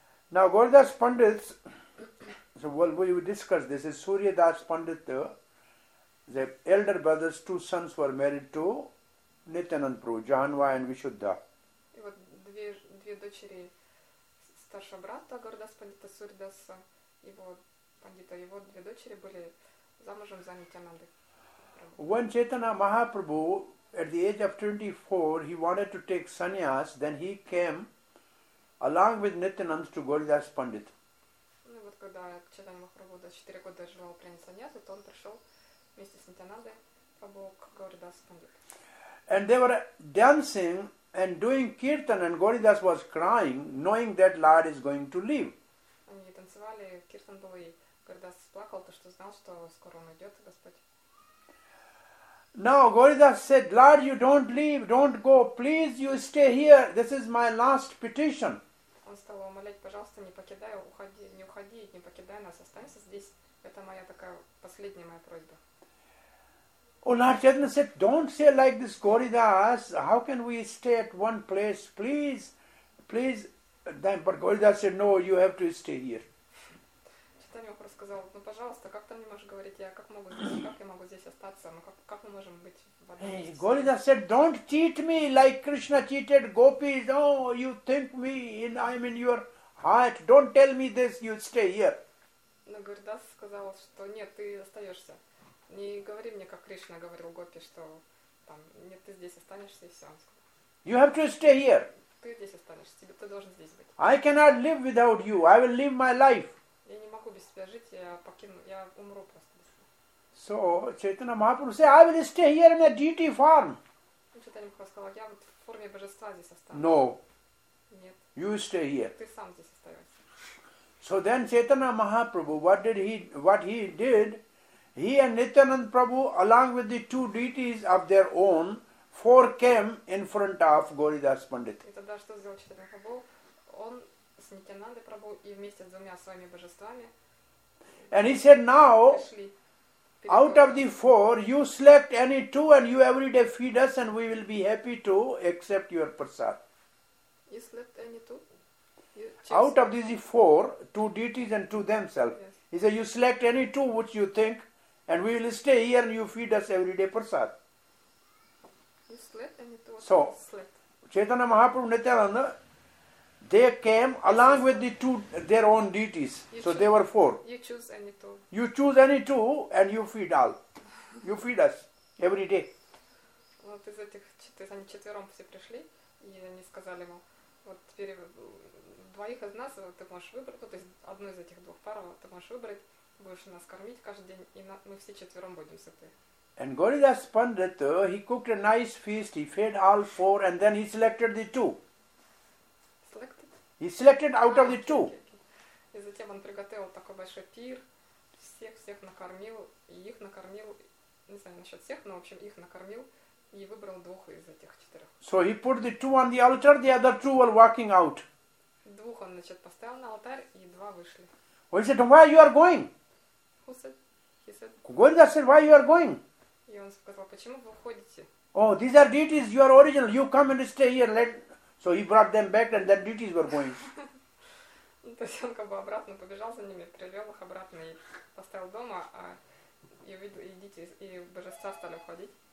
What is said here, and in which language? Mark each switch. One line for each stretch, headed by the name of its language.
English: Now Goridas Pandit's So well, we discussed this is Suryadas Pandit The elder brother's two sons were married to Nityanand Prabhu, Janva and Vishuddha.
Russian: И вот две дочери старшего брата Гурдас Пандита Сурдаса, его пандита, его две дочери были замужем за Нитянандой.
English: When Chaitanya Mahaprabhu, at the age of 24, he wanted to take sannyas, then he came along with Nityananda to Gauridas Pandit.
Russian: Ну вот когда Chaitanya Mahaprabhu 4 года желал принять саньясу, то он пришел вместе с Нитянандой Прабху к Гауридас Пандит.
English: And they were dancing and doing kirtan, and Gauridas was crying, knowing that Lord is going to leave.
Russian: Они танцевали, киртан был, и Гауридас плакал, то что знал, что скоро он уйдет, Господь.
English: Now Gauridas said, Lord, you don't leave, don't go, please you stay here, this is my last petition.
Russian: Он стал умолять, пожалуйста, не покидай, уходи, не уходи, не покидай нас, останься здесь, это моя такая последняя моя просьба.
English: Oh, Lord Chaitanya said, don't say like this, Gauridas, how can we stay at one place, please, please. Then, but Gauridas said, no, you have to stay here.
Russian: Сказал, ну пожалуйста, как ты мне можешь говорить, я как могу здесь, как я могу здесь остаться, ну как мы можем быть в одном месте?
English: Gaurida said, don't cheat me like Krishna cheated gopis, oh, you think me, in, I'm in your heart, don't tell me this, you stay here.
Russian: Но Gaurida сказал, что нет, ты остаешься, не говори мне, как Кришна говорил гопи, что там, нет, ты здесь останешься и все.
English: You have to stay here.
Russian: Ты здесь останешься, тебе, ты должен здесь быть.
English: I cannot live without you, I will live my life.
Russian: Я не могу без тебя жить, я умру просто.
English: So, Chaitanya Mahaprabhu said, I will stay here in a deity form.
Russian: Chaitanya Mahaprabhu сказал, я вот в форме божества здесь останусь.
English: No.
Russian: Нет.
English: You stay here.
Russian: Ты сам здесь остаешься.
English: So then Chaitanya Mahaprabhu, what he did, he and Nityananda Prabhu, along with the two deities of their own, four came in front of Gauridas Pandit.
Russian: И тогда что сделал Chaitanya Mahaprabhu? Он с Нитянандой Прабху и вместе с двумя своими божествами.
English: And he said, now, out of the four, you select any two and you every day feed us and we will be happy to accept your prasad. You select any two? Out of these four, two deities and two themselves. Yes. He said, you select any two which you think and we will stay here and you feed us every day prasad. You select any two? So, select. Chaitanya Mahaprabhu Nityananda, they came along with the two, their own deities. So they were four. You choose any two. You choose any two and you feed all. You feed us every day.
Russian: Вот из этих, они четвером все пришли, и они сказали ему, вот теперь двоих из нас ты можешь выбрать, то есть одну из этих двух пар ты можешь выбрать, будешь нас кормить каждый день, и мы все четвером будем сыты.
English: And Gauridas Pandit, he cooked a nice feast, he fed all four, and then he selected the two. He selected out of the two.
Russian: И затем он приготовил такой большой пир, всех накормил, и их накормил, не знаю насчет всех, но в общем их накормил и выбрал двух из этих четырех.
English: So he put the two on the altar, the other two were walking out.
Russian: Двух он, значит, поставил на алтарь, и два вышли.
English: Well, he said, why you are going? Who said? He said. Gauridas said, why you are going?
Russian: И он сказал, почему вы уходите?
English: Oh, these are deities, you are original, you come and stay here, let... So he brought them back and their duties were going.
Russian: То есть он как бы обратно побежал за ними, привел их обратно и поставил дома, а идите, и божества стали уходить.